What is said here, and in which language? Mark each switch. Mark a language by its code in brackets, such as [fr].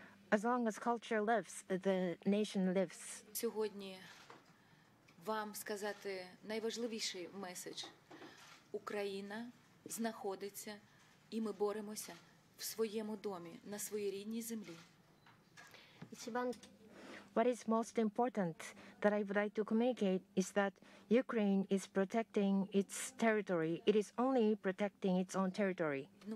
[en] As long as culture lives, the nation lives. [uk] Сьогодні вам сказати найважливіший меседж. Україна знаходиться, і ми боремося в своєму домі, на своїй рідній землі. [en] What is most important that I would like to communicate is that Ukraine is protecting its territory. It is only protecting its own territory.